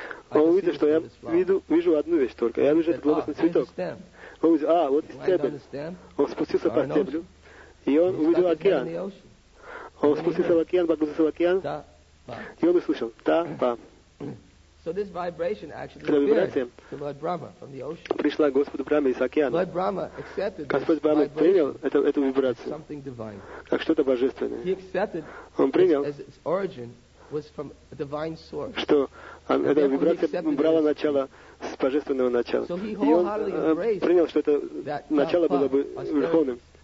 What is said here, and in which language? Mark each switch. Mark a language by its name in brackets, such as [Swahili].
[Russian] Он увидел, что я вижу одну вещь только, я вижу этот лотосный цветок. Он увидел, вот стебель. Он спустился по стеблю, и он увидел океан. Он спустился в океан, погрузился в океан, и он услышал «Та-па». [English] So this vibration actually appeared to Lord Brahma from the ocean. [Russian] Пришла Господу Брахме из океана. [English] Lord Brahma accepted this. [Russian] Господь Брахма принял эту вибрацию. [English] Something divine. [Russian] Как что-то божественное. [English] He accepted it as its origin [Russian] что эта вибрация брала начало с божественного начала. И он принял, что это начало было бы верховным.